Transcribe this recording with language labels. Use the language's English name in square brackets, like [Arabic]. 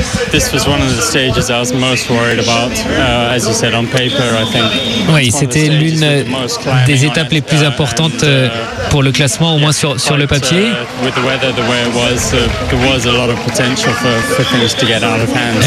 [English] This was one of the stages I was most worried about, as you said on paper, I think. [French] Oui, c'était l'une des étapes les plus importantes pour le classement, au moins sur le papier. [English] With the weather the way it was, there was a lot of potential for things to get out of hand.